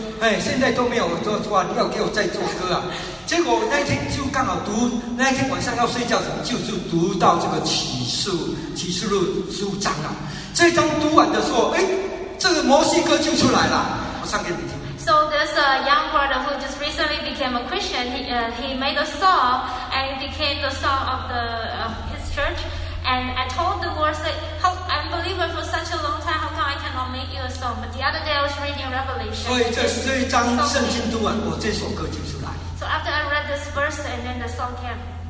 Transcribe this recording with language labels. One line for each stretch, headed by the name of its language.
Chinese: 哎，现在都没有做出啊，你要给我再做歌啊。结果那天就刚好读，那天晚上要睡觉时，就读到这个启示录15章啊。这一章读完的时候，哎，这个摩西歌就出来了，我唱给你听。
English: So there's a young brother who just recently became a Christian. He made a song and it became the song of his church. And I told the Lord, say, how, I'm a believer for such a long time, how come I cannot make you a song? But the other day I was reading Revelation.
Chinese: 所以这一章圣经读完，我这首歌就出来。
English: So after I read this verse and then the song came.